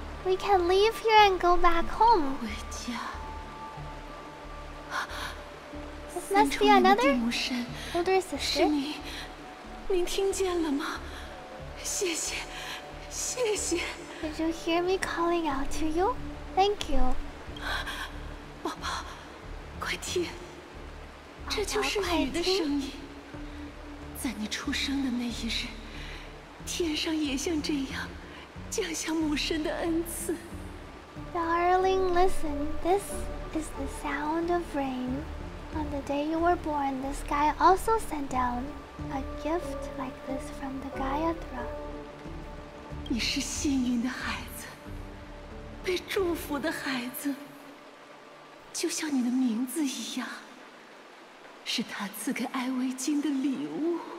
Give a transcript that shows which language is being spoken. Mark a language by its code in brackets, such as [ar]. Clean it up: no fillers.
[en] We can leave here and go back home. This must be another older sister. [zh] 您听见了吗？谢谢，谢谢。 [en] Did you hear me calling out to you? Thank you. [zh] 宝宝，快听，这就是雨的声音。在你出生的那一日，天上也像这样降下母神的恩赐。 [en] Darling, listen. This is the sound of rain. On the day you were born, the sky also sent down a gift like this from the Gayatra. [zh] 你是幸运的孩子，被祝福的孩子，就像你的名字一样，是他赐给艾维金的礼物。